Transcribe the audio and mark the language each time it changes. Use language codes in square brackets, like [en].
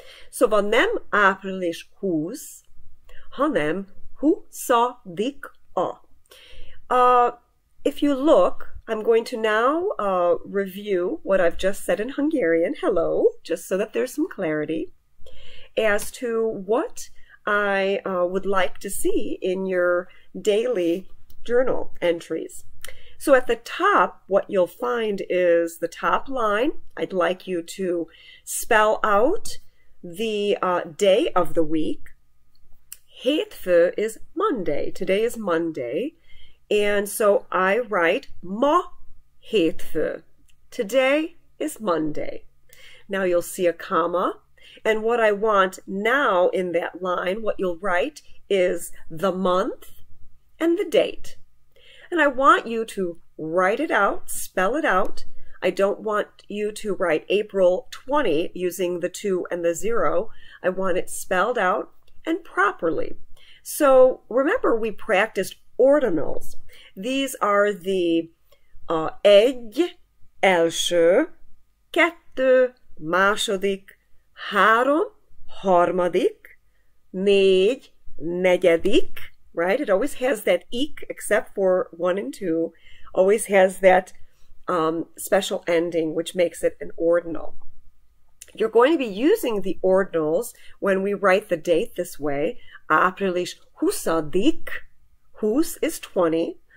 [hu] Szóval nem április 20, hanem 20-a. [en] If you look, I'm going to now review what I've just said in Hungarian. Hello, just so that there's some clarity as to what I would like to see in your daily journal entries. So at the top, what you'll find is the top line. I'd like you to spell out the day of the week. Hétfő is Monday. Today is Monday. And so I write [hu] ma hétfő. [en] Today is Monday. Now you'll see a comma. And what I want now in that line, what you'll write is the month and the date. And I want you to write it out, spell it out. I don't want you to write April 20 using the 2 and the 0. I want it spelled out and properly. So remember, we practiced ordinals. These are the [hu] egy, első, kettő, második, három, harmadik, négy, negyedik, [en] right? It always has that ik, except for one and two, always has that special ending, which makes it an ordinal. You're going to be using the ordinals when we write the date this way. [hu] Április huszadik. Hús is 20.